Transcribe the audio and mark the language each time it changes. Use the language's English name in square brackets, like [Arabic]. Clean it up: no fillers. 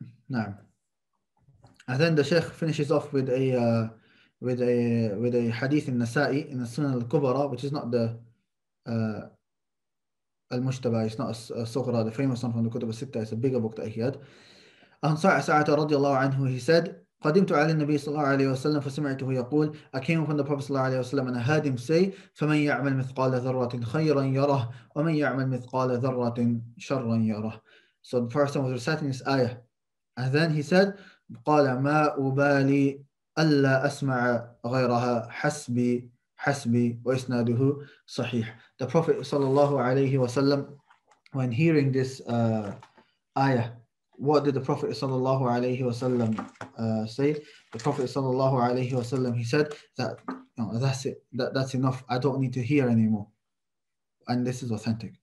[Arabic] نعم. [English] And then the Sheikh finishes off with a hadith in Nasa'i in the Sunan al-Kubra, which is not the al-Mujtaba, it's not al-Sughra, the famous one from the Kutub al-Sitta, it's a bigger book that he had. An Sa'sa'ata radiyallahu anhu, he said, [Arabic] قدمت على النبي صلى الله عليه وسلم فسمعته يقول [English] I came upon the Prophet صلى الله عليه وسلم and I heard him say [Arabic] فمن يعمل مثقال ذرة خيرا يره ومن يعمل مثقال ذرة شرا يره. [English] So the Prophet was reciting this ayah. And then he said, [Arabic] قال ما أبالي ألا أسمع غيرها حسبي وإسناده صحيح. [English] The Prophet [Arabic] صلى الله عليه وسلم, [English] when hearing this ayah, what did the Prophet صلى الله عليه وسلم say? The Prophet [Arabic] صلى الله عليه وسلم, [English] he said that, you know, that's it, that's enough, I don't need to hear anymore. And this is authentic.